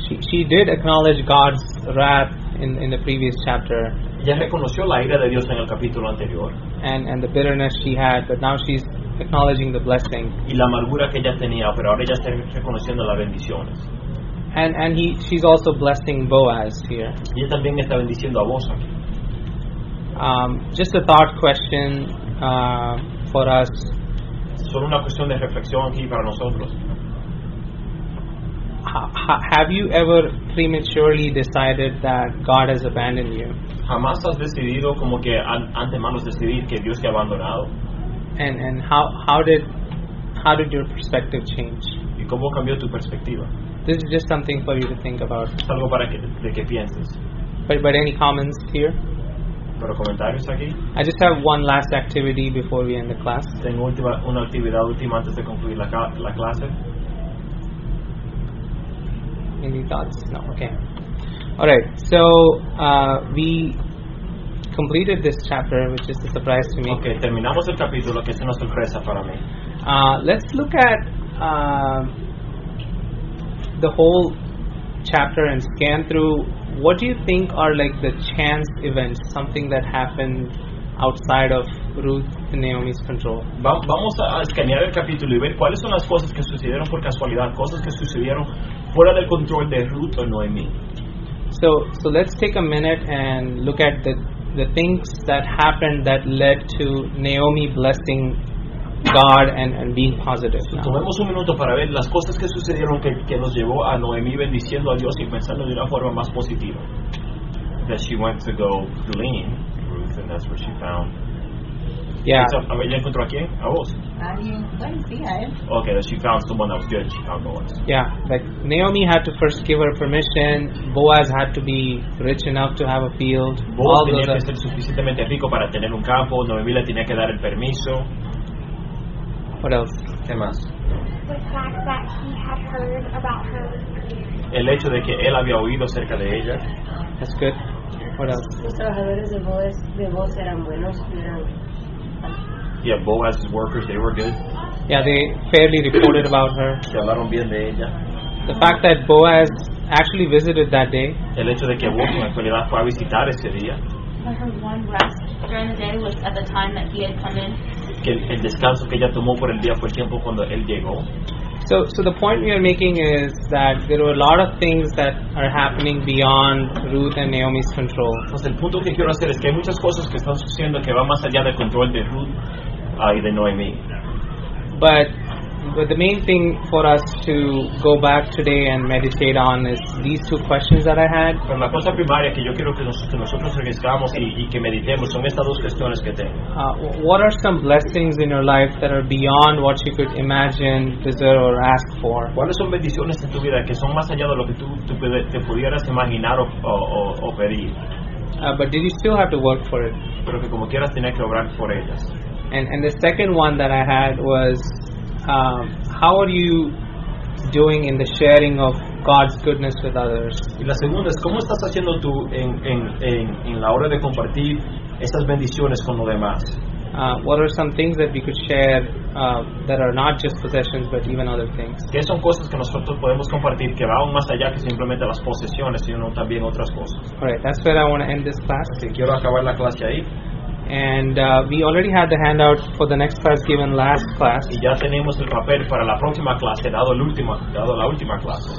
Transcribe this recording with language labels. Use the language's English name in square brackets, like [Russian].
[English] She did acknowledge God's wrath in the previous chapter. [Spanish] Ya reconoció la ira de Dios en el capítulo anterior. [English] And the bitterness she had, but now she's acknowledging the blessing. [Spanish] Y la amargura que ella tenía, pero ahora ella está reconociendo las bendiciones. [English] She's also blessing Boaz here. [Spanish] Y ella también está bendiciendo a Boaz aquí. [English] Just a thought question for us. [Spanish] Solo una cuestión de reflexión aquí para nosotros. [English] Have you ever prematurely decided that God has abandoned you? [Spanish] ¿Jamás has decidido como que antemano decidir que Dios te ha abandonado? [English] And how did your perspective change? [Spanish] ¿Y cómo cambió tu perspectiva? [English] This is just something for you to think about. [Spanish] Es algo para que, de que pienses. [English] But any comments here? [Spanish] ¿Pero comentarios aquí? [English] I just have one last activity before we end the class. [Spanish] Tengo una actividad última antes de concluir la clase. [English] Any thoughts? No. Okay. All right. So we completed this chapter, which is a surprise to me. [Spanish] Okay, terminamos el capítulo, que es una sorpresa para mí. [English] Let's look at the whole chapter and scan through. What do you think are like the chance events, something that happened outside of Ruth and Naomi's control? [Spanish] Vamos a escanear el capítulo y ver cuáles son las cosas que sucedieron por casualidad, cosas que sucedieron fuera del control de Ruth o Noemi. [English] So let's take a minute and look at the things that happened that led to Naomi blessing God and being positive. [Spanish] Tomemos un minuto para ver las cosas que sucedieron que nos llevó a Noemi bendiciendo a Dios y pensando de una forma más positiva. [English] That she went to go glean Ruth, and that's where she found. Yeah. [Spanish] ¿Ella encontró a quién? A vos. [English] Okay, she found someone else. Good, she found Boaz. Yeah, like Naomi had to first give her permission. Boaz had to be rich enough to have a field. [Spanish] Boaz tenía que ser suficientemente rico para tener un campo. Noemi le tenía que dar el permiso. [English] What else? [Spanish] ¿Qué más? [English] The fact that he had heard about her. [Spanish] El hecho de que él había oído acerca de ella. [English] That's good. What else? [Spanish] Los trabajadores de Boaz eran buenos. [English] Yeah, Boaz's workers, they were good. Yeah, they fairly reported about her. [Spanish] Se hablaron bien de ella. [English] The fact that Boaz actually visited that day. [Spanish] El hecho de que Boaz en realidad fue a visitar ese día. [English] I heard one rest during the day was at the time that he had come in. [Spanish] Que el descanso que ella tomó por el día fue el tiempo cuando él llegó. [English] So the point we are making is that there are a lot of things that are happening beyond Ruth and Naomi's control. [Spanish] Pues el punto que quiero hacer es que hay muchas cosas que están sucediendo que van más allá del control de Ruth y de Naomi. [English] But the main thing for us to go back today and meditate on is these two questions that I had. [Spanish] La cosa primaria que yo quiero que nosotros regresamos y que meditemos son estas dos cuestiones que tengo. [English] What are some blessings in your life that are beyond what you could imagine, deserve, or ask for? [Spanish] ¿Cuáles son bendiciones en tu vida que son más allá de lo que tú te pudieras imaginar o pedir? [English] But did you still have to work for it? [Spanish] Pero que como quieras tenía que obrar por ellas. [English] And the second one that I had was, how are you doing in the sharing of God's goodness with others? [Spanish] Y la segunda es cómo estás haciendo tú en la hora de compartir estas bendiciones con los demás. [English] What are some things that we could share that are not just possessions but even other things? [Spanish] ¿Qué son cosas que nosotros podemos compartir que van más allá que simplemente las posesiones, sino también otras cosas? [English] All right, that's where I want to end this class. [Spanish] Sí, quiero acabar la clase ahí. [English] And we already had the handout for the next class given last class. [Spanish] Y ya tenemos el papel para la próxima clase, dado la última clase.